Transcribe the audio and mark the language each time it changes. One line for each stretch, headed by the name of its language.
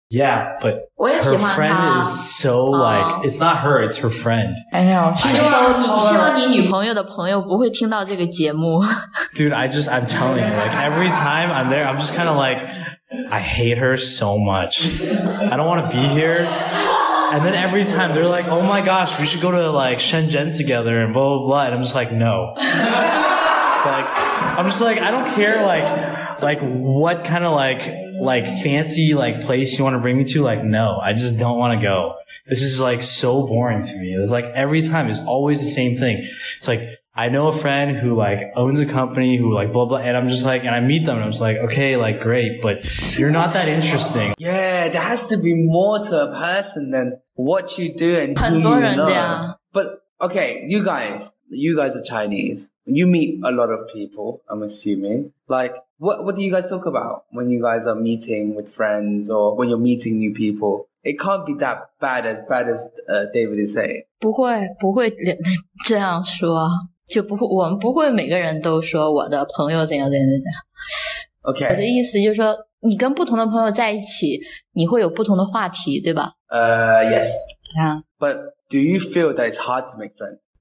English: Yeah, but her friend is so like, it's not her, it's her friend. I know, she's so tolerant.
Chinese: 希望你女朋友的朋友不会听到这个节目。
English: Dude, I'm telling you, like, every time I'm there, I'm just kind of like, I hate her so much. I don't want to be here. And then every time they're like, oh my gosh, we should go to like Shenzhen together and blah, blah, blah. And I'm just like, no. Like, I'm just like, I don't care, like what kind of like fancy like place you want to bring me to, like, no, I just don't want to go. This is like so boring to me. It's like every time it's always the same thing. It's like, I know a friend who like owns a company who like blah blah, and I'm just like, and I meet them and I'm just like, okay, like great, but you're not that interesting. Yeah, there has to be more to a person than what you do and who you know. But okay, you guys are Chinese. You meet a lot of people, I'm assuming. Like, what do you guys talk about when you guys are meeting with friends or when you're meeting new people? It can't be that bad as David is saying.
Chinese: 不会这样说，就不会，我们不会每个人都说我的朋友怎样怎样怎样。
English: Okay.
Chinese: 我的意思就是说，你跟不同的朋友在一起，你会有不同的话题，对吧？
English: Yes. Yeah. But do you feel that it's hard to make friends?